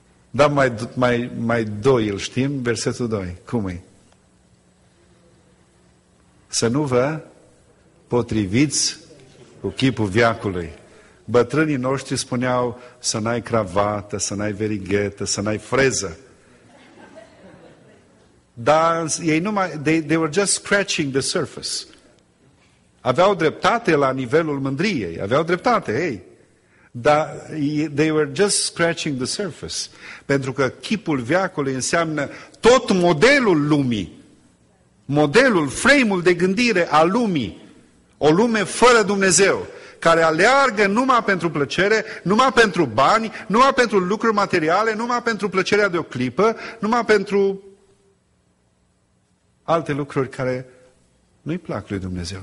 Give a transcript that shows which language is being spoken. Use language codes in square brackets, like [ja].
[ro] Dar mai doi îl știm, versetul 2. Cum e? Să nu vă potriviți cu chipul veacului. Bătrânii noștri spuneau să n-ai cravată, să n-ai verighetă, să n-ai freză. Dar ei numai, [en] they were just scratching the surface. [ro] Aveau dreptate la nivelul mândriei, aveau dreptate, ei. Dar [en] they were just scratching the surface. [ro] Pentru că chipul veacului înseamnă tot modelul lumii. Modelul, frame-ul de gândire a lumii. O lume fără Dumnezeu, care aleargă numai pentru plăcere, numai pentru bani, numai pentru lucruri materiale, numai pentru plăcerea de o clipă, numai pentru alte lucruri care nu-i plac lui Dumnezeu.